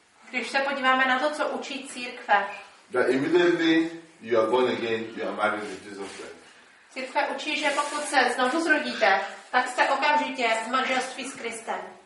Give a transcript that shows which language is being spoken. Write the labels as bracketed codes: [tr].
[cs] Když se podíváme na to, co učí církve. [en] That immediately you are born again, you are married with Jesus Christ. [cs] Církve učí, že pokud se znovu zrodíte, tak jste okamžitě v manželství s Kristem.